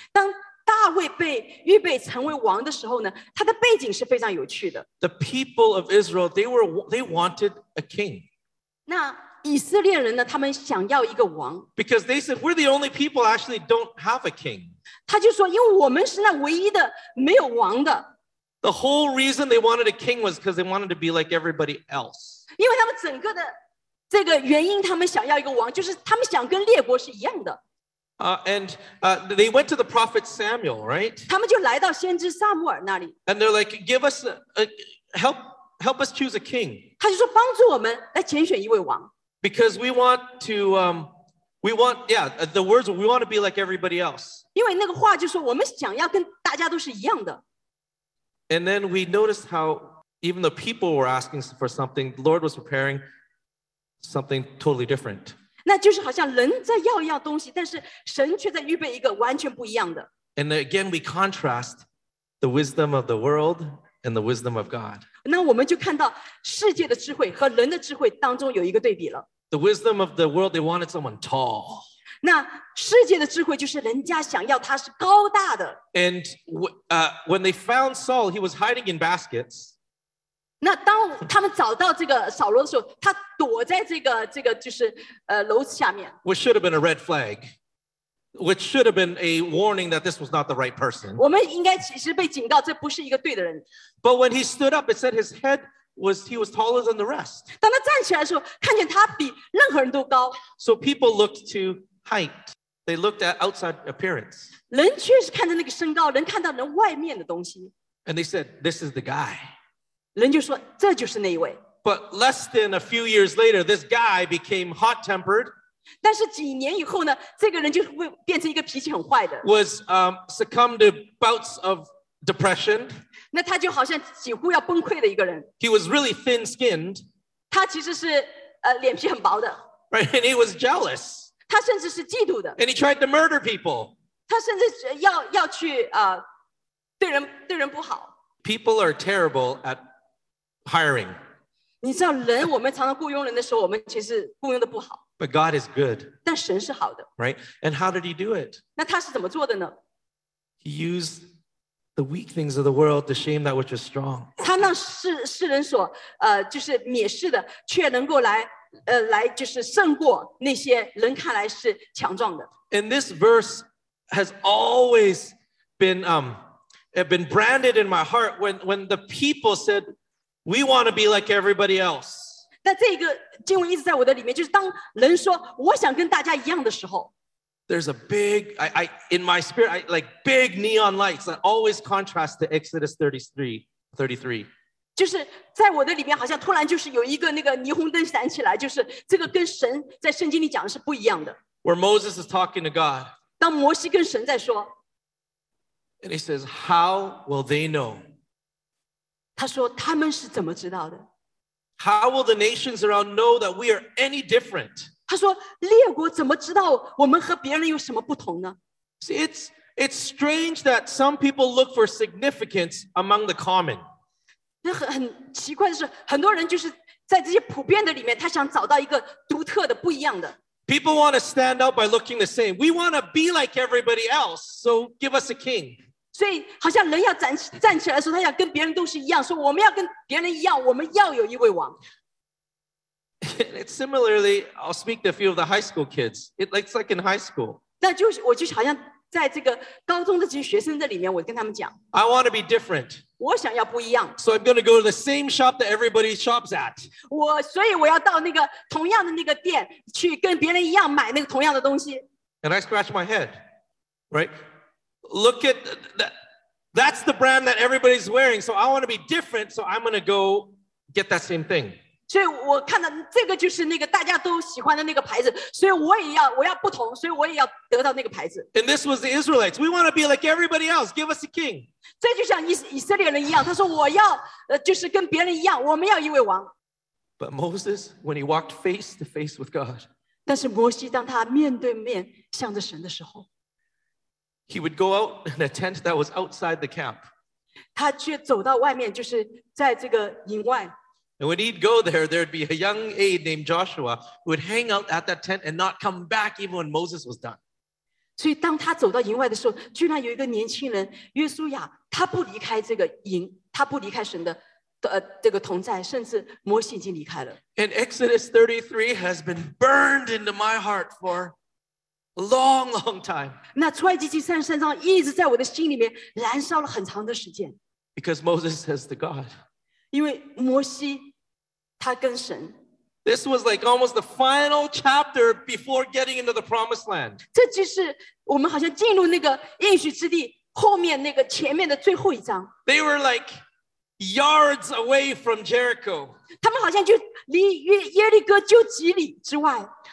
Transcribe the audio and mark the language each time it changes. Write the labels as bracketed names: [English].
[Chinese] 当大卫被预备成为王的时候呢，他的背景是非常有趣的。 [English] The people of Israel, they wanted a king. [Chinese] 那以色列人呢，他们想要一个王。 [English] Because they said, we're the only people actually don't have a king. [Chinese] 他就说因为我们是那唯一的没有王的。 [English] The whole reason they wanted a king was because they wanted to be like everybody else. [Chinese] 因为他们整个的这个原因他们想要一个王就是他们想跟列国是一样的。 [English] They went to the prophet Samuel, right? [Chinese] 他们就来到先知撒母耳那里。 [English] And they're like, give us, help us choose a king. [Chinese] 他就说帮助我们来拣选一位王。 [English] Because we want to, the words, we want to be like everybody else. [Chinese] 因为那个话就说我们想要跟大家都是一样的。 [English] And then we noticed how even though people were asking for something, the Lord was preparing something totally different. [Chinese] 那就是好像人在要一样东西，但是神却在预备一个完全不一样的。 [English] And again, we contrast the wisdom of the world and the wisdom of God. [Chinese] 那我们就看到世界的智慧和人的智慧当中有一个对比了。 [English] The wisdom of the world, they wanted someone tall. [Chinese] 那世界的智慧就是人家想要他是高大的。 [English] And when they found Saul, he was hiding in baskets. [Chinese] 那当他们找到这个扫罗的时候，他躲在这个就是楼下面。 [English] Which should have been a red flag, which should have been a warning that this was not the right person. [Chinese] 我们应该其实被警告，这不是一个对的人。 [English] But when he stood up, it said his head was taller than the rest. [Chinese] 当他站起来的时候，看见他比任何人都高。 [English] So people looked to height. They looked at outside appearance. [Chinese] 人确实看着那个身高，人看到人外面的东西。 [English] And they said, "This is the guy." [Chinese] 人就说这就是那一位。 [English] But less than a few years later, this guy became hot-tempered. [Chinese] 但是几年以后呢，这个人就会变成一个脾气很坏的。 [English] Was succumbed to bouts of depression. [Chinese] 那他就好像几乎要崩溃的一个人。 [English] He was really thin-skinned. [Chinese] 他其实是脸皮很薄的。 [English] Right, and he was jealous. [Chinese] 他甚至是嫉妒的。 [English] And he tried to murder people. [Chinese] 他甚至要去对人不好。 [English] People are terrible at hiring. [Chinese] 你知道人我们常常雇佣人的时候我们其实雇佣的不好。 [English] But God is good. [Chinese] 但神是好的。 [English] Right? And how did he do it? [Chinese] 那他是怎么做的呢? [English] He used the weak things of the world to shame that which is strong. [Chinese] 他让世人所就是蔑视的却能够来就是胜过那些人看来是强壮的。 [English] And this verse has always been branded in my heart when the people said,We want to be like everybody else. [Chinese] 那这个经文一直在我的里面，就是当人说我想跟大家一样的时候 [English] ，There's a big, I in my spirit, I like big neon lights that always contrast to Exodus 33. [Chinese] 就是在我的里面，好像突然就是有一个那个霓虹灯闪起来，就是这个跟神在圣经里讲的是不一样的。 [English] Where Moses is talking to God. [Chinese] 当摩西跟神在说 [English] ，And he says, "How will they know?" [Chinese] 他说他们是怎么知道的 [English] How will the nations around know that we are any different? [Chinese] 他说列国怎么知道我们和别人有什么不同呢 [English] See, it's strange that some people look for significance among the common. [Chinese] 那很奇怪的是很多人就是在这些普遍的里面他想找到一个独特的不一样的 [English] People want to stand out by looking the same. We want to be like everybody else, so give us a king. [Chinese] 所以好像人要站起来说他想跟别人都是一样说我们要跟别人一样我们要有一位王 [English] It's similarly I'll speak to a few of the high school kids it's like in high school [Chinese] 那就是我就好像在这个高中的这些学生的里面我跟他们讲 [English] I want to be different [Chinese] 我想要不一样 [English] so I'm going to go to the same shop that everybody shops at [Chinese] 所以我要到那个同样的那个店去跟别人一样买那个同样的东西 [English] and I scratch my head rightLook at that's the brand that everybody's wearing. So I want to be different. So I'm going to go get that same thing. [Chinese] 所以我看到这个就是那个大家都喜欢的那个牌子，所以我要不同，所以我也要得到那个牌子。 [English] And this was the Israelites. We want to be like everybody else. Give us a king. [Chinese] 这就像以色列人一样，他说我要就是跟别人一样，我们要一位王。 [English] But Moses, when he walked face to face with God, [Chinese] 但是摩西当他面对面向着神的时候。 [English] He would go out in a tent that was outside the camp. [Chinese] 他却走到外面，就是在这个营外。 [English] And when he'd go there, there'd be a young aide named Joshua who would hang out at that tent and not come back even when Moses was done. [Chinese] 所以当他走到营外的时候，居然有一个年轻人约书亚，他不离开这个营，他不离开神的这个同在，甚至摩西已经离开了。 [English] And Exodus 33 has been burned into my heart for long, long time. [Chinese] 那出埃及记三十三章一直在我的心里面燃烧了很长的时间。 [English] Because Moses says to God. [Chinese] 因为摩西他跟神。 [English] This was like almost the final chapter before getting into the promised land. [Chinese] 这就是我们好像进入那个应许之地后面那个前面的最后一章。 [English] They were like yards away from Jericho. [Chinese] 他们好像就离耶利哥就几里之外。